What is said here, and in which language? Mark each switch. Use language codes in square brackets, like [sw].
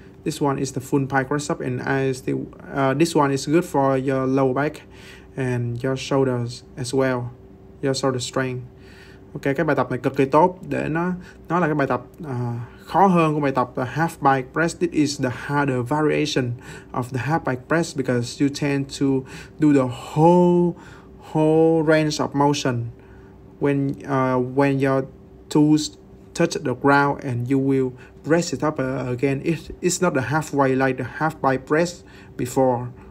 [en] This one is the full pike press up, and I still this one is good for your lower back and your shoulders as well. Your shoulder strength. [vi] Ok, cái bài tập này cực kỳ tốt để nó là cái bài tập khó hơn của bài tập half bike press. [en] This is the harder variation of the half bike press because you tend to do the whole range of motion when your toes touch the ground and you will press it up again. It's not the halfway like the half bike press before.